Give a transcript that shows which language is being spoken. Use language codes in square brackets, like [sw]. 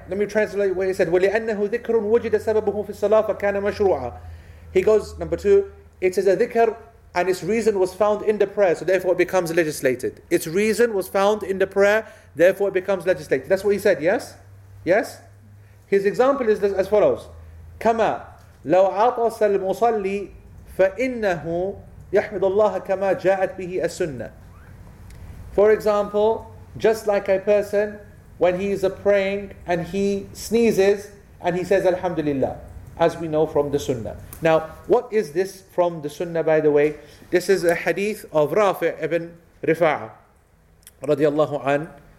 [en] Let me translate what he said. [ar] وَلِأَنَّهُ ذِكْرٌ وَجِدَ سَبَبُهُ فِي الصَّلَاةِ فَكَانَ مَشْرُوعًا. [en] He goes, number two, it is a dhikr and its reason was found in the prayer, so therefore it becomes legislated. Its reason was found in the prayer, therefore it becomes legislated. That's what he said, yes? Yes? His example is as follows. [ar] كما لو عطس المصلي فإنه يحمد الله كما جاءت به السنة. [en] For example, just like a person when he is praying and he sneezes and he says Alhamdulillah, as we know from the Sunnah. Now, what is this from the Sunnah, by the way? This is a hadith of Rafi' ibn Rifa'a radiallahu an.